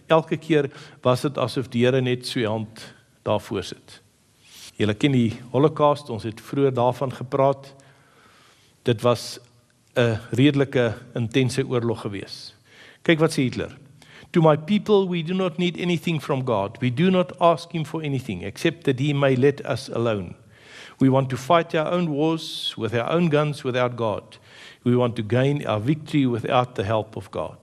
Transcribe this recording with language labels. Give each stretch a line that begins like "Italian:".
Afrikaans: Elke keer was het asof die Here net sy hand daarvoor sit. Julle ken die Holocaust, ons het vroeger daarvan gepraat. Dit was een redelike intense oorlog gewees. Kyk wat sê Hitler.
English: To my people, we do not need anything from God. We do not ask him for anything, except that he may let us alone. We want to fight our own wars with our own guns without God. We want to gain our victory without the help of God.